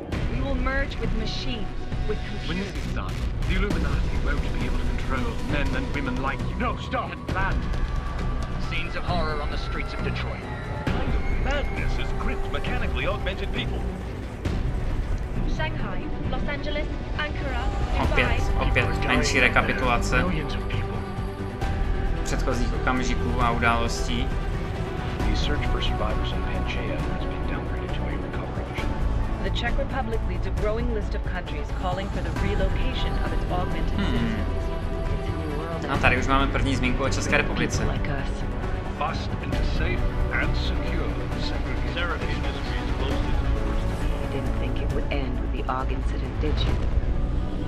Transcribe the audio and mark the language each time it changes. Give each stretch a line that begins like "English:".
English: We will merge with machine, with computer. When this is done, the Illuminati won't be able to control men and women like you. No, stop! Had planned. Scenes of horror on the streets of Detroit. Madness has gripped mechanically augmented people. Shanghai, Los Angeles, Ankara, Dubai.
Czech: Opět menší rekapitulace. předchozích okamžiků a událostí.
English: The search for survivors in Pangea has been downgraded to a recovery mission. The Czech Republic leads a growing list of countries calling for the relocation of its augmented citizens. Hmm.
Czech: No, tady už máme první zmínku o České republice.
English: Fast into safe and secure. Secretary Industries closed its doors. You didn't think it would end with the AUG incident, did you?